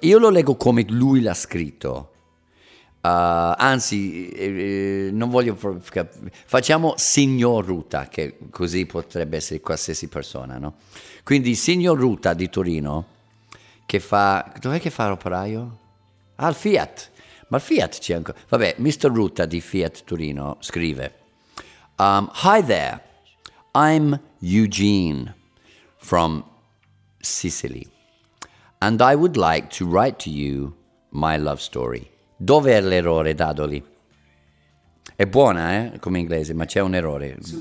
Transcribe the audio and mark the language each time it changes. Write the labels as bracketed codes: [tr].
[it] Io lo leggo come lui l'ha scritto. Anzi, non voglio proprio, facciamo signor Ruta, che così potrebbe essere qualsiasi persona, no? Quindi signor Ruta di Torino, che fa, dov'è che fa l'operaio? Al Fiat, ma il Fiat c'è ancora. Vabbè, Mr. Ruta di Fiat Torino scrive: [en] hi there, I'm Eugene from Sicily and I would like to write to you my love story. [it] Dov'è l'errore, Dadoli? È buona, come inglese, ma c'è un errore.